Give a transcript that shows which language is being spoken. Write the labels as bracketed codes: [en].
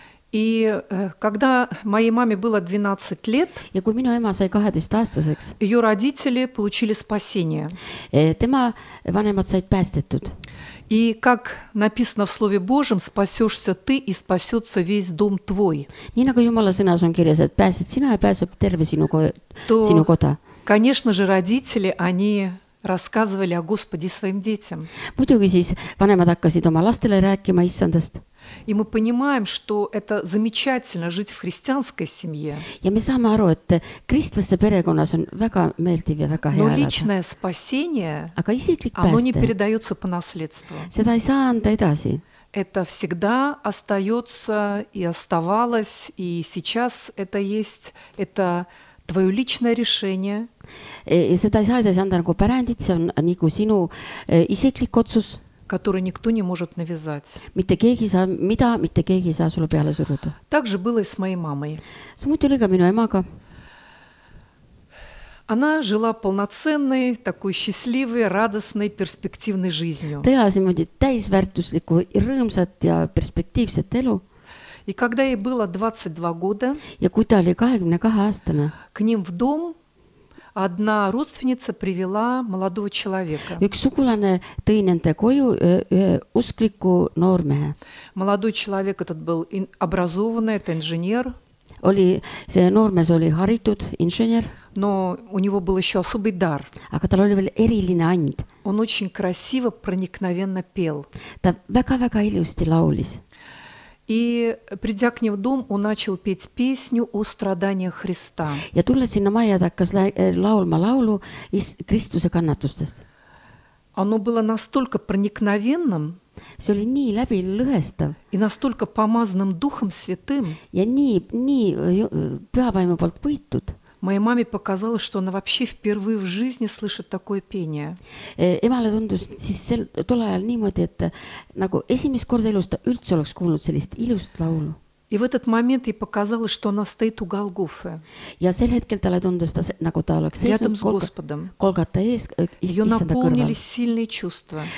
[ru] И когда моей маме было 12 лет, [et] ja kui minu ema sai 12-aastaseks, [ru] ее родители получили спасение. [et] Tema vanemad said päästetud. [ru] И как написано в Слове Божьем, спасешься ты и спасется весь дом твой. [et] Nii nagu Jumala sõnas on kirjas, et pääsed sina ja pääseb terve sinu kota. [ru] Конечно же, родители, они рассказывали о Господе своим детям. [et] Muidugi siis vanemad hakkasid oma lastele rääkima issandast. [ru] И мы понимаем, что это замечательно жить в христианской семье. [et] Ja me saame aru, et kristlase perekonnas on väga meeldiv ja väga hea. [ru] Но личное спасение, [et] aga isiklik pääste, [ru] оно не передается по наследству. [et] Seda ei saa anda edasi. [ru] Это всегда остается и оставалось, и сейчас это есть, это твое личное решение. [et] Seda ei saa edasi anda nagu pärandit, see on nagu sinu isiklik otsus. [ru] Который никто не может навязать. [et] Mitte keegi saa, mida, mitte keegi saa sulle peale suruda. [ru] Так же было и с моей мамой. [et] Samuti oli ka minu emaga. [ru] Она жила полноценной, такой счастливой, радостной, перспективной жизнью. [et] Ta elas niimoodi täisväärtuslikku, rõõmsat ja perspektiivset elu. [ru] И когда ей было 22 года, [et] ja kui ta oli 22 aastane, [ru] к ним в дом одна родственница привела молодого человека. [et] Üks sugulane tõi nende koju uskliku noormehe. [ru] Молодой человек этот был образованный, это инженер. [et] Oli, see noormees oli haritud inžener. [ru] Но у него был еще особый дар. [et] Aga tal oli veel eriline and. [ru] Он очень красиво, проникновенно пел. [et] Ta väga-väga ilusti laulis. [ru] И придя к ним в дом, он начал петь песню о страданиях Христа. [et] Ja tulles sinna majja, ta hakkas laulma laulu Kristuse kannatustest. [ru] Оно было настолько проникновенным, [et] see oli nii läbi lõhestav, [ru] и настолько помазанным Духом Святым, [et] ja nii pühavaimu poolt võitud, [ru] моей маме показалось, что она вообще впервые в жизни слышит такое пение. [et] Emale tundus siis tol ajal niimoodi, et nagu esimest korda elust ta üldse oleks kuulnud sellist ilust laulu. [ru] И в этот момент ей показалось, что она стоит у Голгофы. [et] Ja sel hetkel talle tundus, ta, nagu ta oleks [ru] рядом с Господом. [et] Kolgata ees, [ru] ее наполнили сильные чувства.